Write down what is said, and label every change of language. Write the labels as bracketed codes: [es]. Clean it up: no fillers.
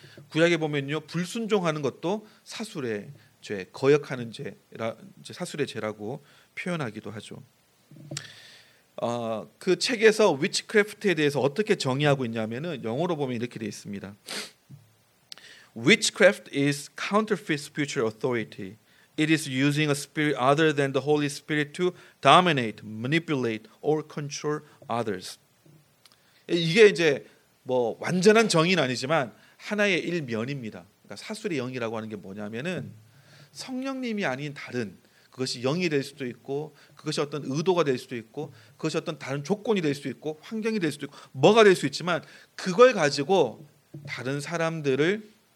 [ko] 구약에 보면요 불순종하는 것도 사술의 죄, 거역하는 죄라 이제 사술의 죄라고 표현하기도 하죠. 그 책에서 위치크래프트에 대해서 어떻게 정의하고 있냐면은 영어로 보면 이렇게 되어 있습니다. [en] Witchcraft is counterfeit spiritual authority. It is using a spirit other than the Holy Spirit to dominate, manipulate, or control others. [ko] 이게 이제 뭐 완전한 정의는 아니지만 하나의 일면입니다. 그러니까 사술의 영이라고 하는 게 뭐냐면은 성령님이 아닌 다른 그것이 영이 될 수도 있고 그것이 어떤 의도가 될 수도 있고 그것이 어떤 다른 조건이 될 수도 있고 환경이 될 수도 있고 뭐가 될 수 있지만 그걸 가지고 다른 사람들을